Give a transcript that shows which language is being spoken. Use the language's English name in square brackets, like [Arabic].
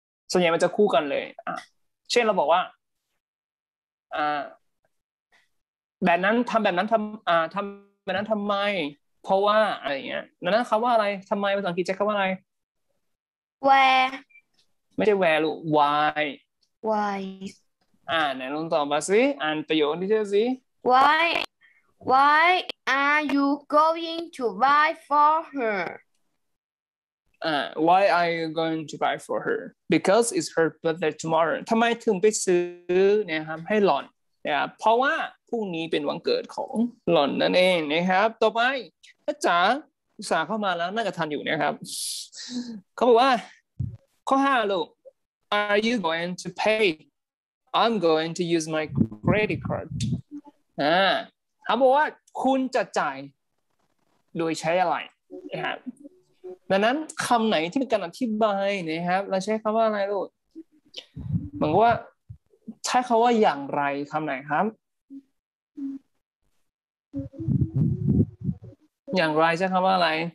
[Thai] ส่วนใหญ่มันจะคู่กันเลยเช่นเราบอกว่าแบบนั้นทำแบบนั้นทำแบบนั้นทำไมเพราะว่าอะไรเงี้ยนั้นคำว่าอะไรทำไมภาษาอังกฤษจะคำว่าอะไร [English] where [Thai] ไม่ใช่ where หรือ why [English] why [Thai] ไหนลองตอบมาสิประโยคนี้เชื่อสิ [English] why are you going to buy for her Why are you going to buy for her? Because it's her birthday tomorrow. [Thai] ทำไมถึงไปซื้อนะครับให้หล่อนนะครับเพราะว่าพรุ่งนี้เป็นวันเกิดของหล่อนนั่นเองนะครับต่อไปจ๋าอุตส่าห์เข้ามาแล้วน่าจะทันอยู่นะครับเขาบอกว่าข้อ5ลูก [English] Are you going to pay? I'm going to use my credit card. [Thai] เขาบอกว่าคุณจะจ่ายโดยใช้อะไรนะครับดังนั้นคำไหนที่เป็นการอธิบายนะครับเราใช้คำว่าอะไรลูกเหมือนว่าใช้คำว่าอย่างไรคำไหนครับอย่างไรใช้คำว่าอะไร